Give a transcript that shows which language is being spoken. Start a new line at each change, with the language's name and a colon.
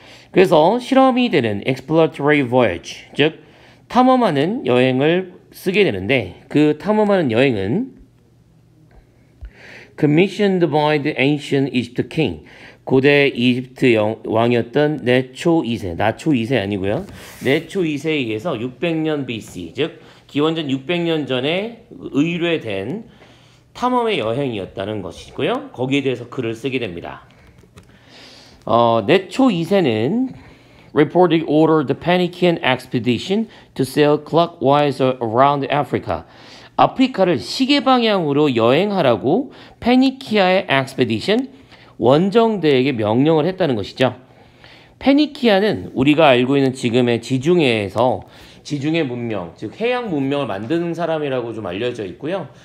Korean: 그래서 실험이 되는
English: exploratory voyage,
Korean: 즉 탐험하는 여행을 쓰게 되는데 그 탐험하는 여행은
English: commissioned by the ancient Egypt king,
Korean: 고대 이집트 왕이었던 나초 2세 아니고요. 나초 2세에 의해서 600년 BC, 즉 기원전 600년 전에 의뢰된 탐험의 여행이었다는 것이고요. 거기에 대해서 글을 쓰게 됩니다.
English: 나초 2세는 reportedly ordered the Phoenician expedition to sail clockwise around Africa.
Korean: 아프리카를 시계 방향으로 여행하라고 페니키아의 expedition 원정대에게 명령을 했다는 것이죠. 페니키아는 우리가 알고 있는 지금의 지중해에서 지중해 문명, 즉 해양 문명을 만드는 사람이라고 좀 알려져 있고요.